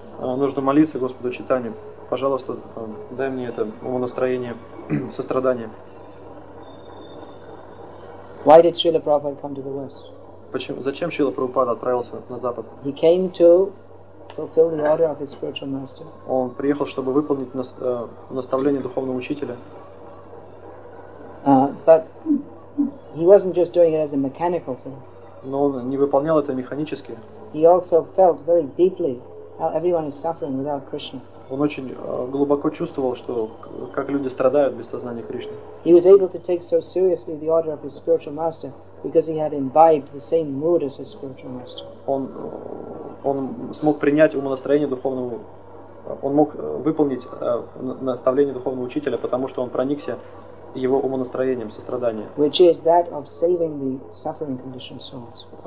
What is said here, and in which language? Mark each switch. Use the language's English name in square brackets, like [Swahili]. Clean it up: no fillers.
[Russian] Нужно молиться Господу Чайтанье. Пожалуйста, дай мне это умонастроение, сострадание. [English] Why did Srila Prabhupada come to the West? [Russian] Зачем Шрила Прабхупада отправился на Запад? [English] He came to fulfill the order of his spiritual master. [Russian] Он приехал, чтобы выполнить наставление духовного учителя. [English] But he wasn't just doing it as a mechanical thing. [Russian] Но он не выполнял это механически. [English] He also felt very deeply how everyone is suffering without Krishna. [Russian] Он очень глубоко чувствовал, что как люди страдают без сознания Кришны. [English] He was able to take so seriously the order of his spiritual master because he had imbibed the same mood as his spiritual master. [Russian] Он смог принять умонастроение духовного, он мог выполнить наставление духовного учителя, потому что он проникся его умонастроением сострадания. [English] Which is that of saving the suffering conditioned souls.